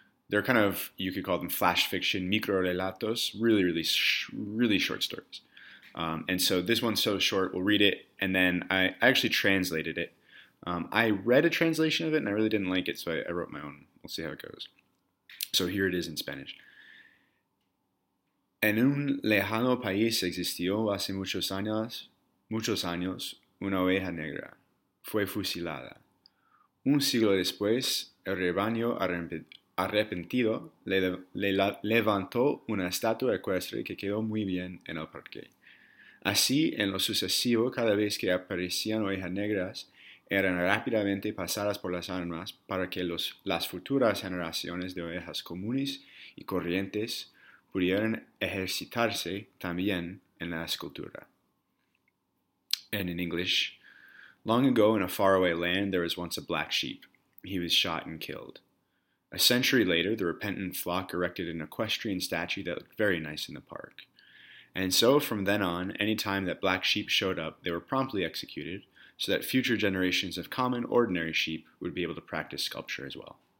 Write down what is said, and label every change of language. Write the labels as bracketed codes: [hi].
[en] They're kind of, you could call them flash fiction, micro relatos, really, really, really short stories. And so this one's so short, we'll read it. And then I actually translated it. I read a translation of it and I really didn't like it, so I wrote my own. We'll see how it goes. So here it is in Spanish. [es] En un lejano país existió hace muchos años, una oveja negra fue fusilada. Un siglo después, el rebaño arrepentido levantó una estatua ecuestre que quedó muy bien en el parque. Así, en lo sucesivo, cada vez que aparecían ovejas negras, eran rápidamente pasadas por las armas para que las futuras generaciones de ovejas comunes y corrientes pudieran ejercitarse también en la escultura. [en] And in English, long ago in a faraway land, there was once a black sheep. He was shot and killed. A century later, the repentant flock erected an equestrian statue that looked very nice in the park. And so, from then on, any time that black sheep showed up, they were promptly executed, so that future generations of common, ordinary sheep would be able to practice sculpture as well.